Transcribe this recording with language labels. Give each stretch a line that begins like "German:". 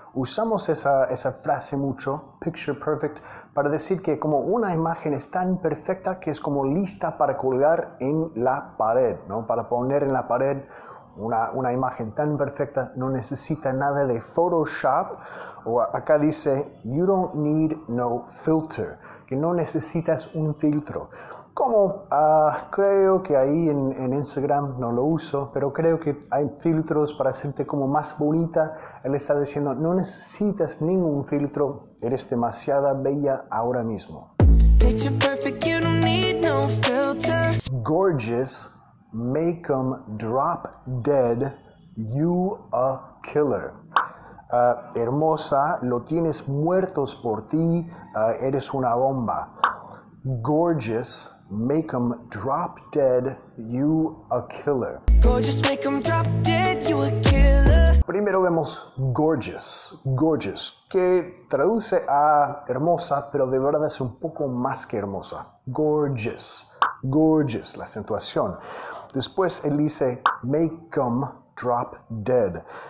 Spanish: Usamos esa frase mucho,
English: picture perfect,
Spanish: para decir que como una imagen es tan perfecta que es como lista para colgar en la pared, ¿no? Para poner en la pared. Una imagen tan perfecta no necesita nada de Photoshop. O acá dice,
English: you don't need no filter.
Spanish: Que no necesitas un filtro. Como creo que ahí en Instagram no lo uso, pero creo que hay filtros para hacerte como más bonita. Él está diciendo, no necesitas ningún filtro. Eres demasiada bella ahora mismo.
English: Picture perfect, you don't need no filter. Gorgeous. Make 'em drop dead, you a killer.
Spanish: Hermosa, lo tienes muertos por ti, eres una bomba.
English: Gorgeous, make 'em drop dead, you a killer. Gorgeous, make 'em drop dead, you a killer.
Spanish: Primero vemos gorgeous, gorgeous, que traduce a hermosa, pero de verdad es un poco más que hermosa. Gorgeous. Gorgeous, la acentuación. Después él dice,
English: make them drop dead.